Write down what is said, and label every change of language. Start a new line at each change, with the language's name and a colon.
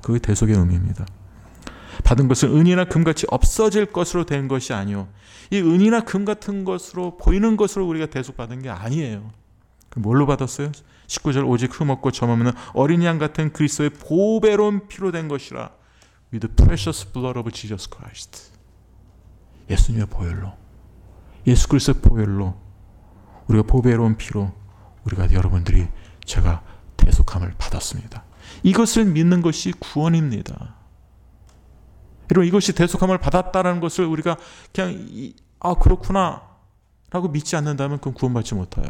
Korean: 그게 대속의 의미입니다. 받은 것은 은이나 금같이 없어질 것으로 된 것이 아니오. 이 은이나 금 같은 것으로 보이는 것으로 우리가 대속받은 게 아니에요. 뭘로 받았어요? 19절 오직 흠없고 점없는 어린 양 같은 그리스도의 보배로운 피로 된 것이라.
English: With the precious blood of Jesus Christ.
Korean: 예수님의 보혈로, 예수 그리스도의 보혈로 우리가 보배로운 피로 우리가 여러분들이 제가 대속함을 받았습니다. 이것을 믿는 것이 구원입니다. 여러분 이것이 대속함을 받았다라는 것을 우리가 그냥 아 그렇구나 라고 믿지 않는다면 그건 구원받지 못해요.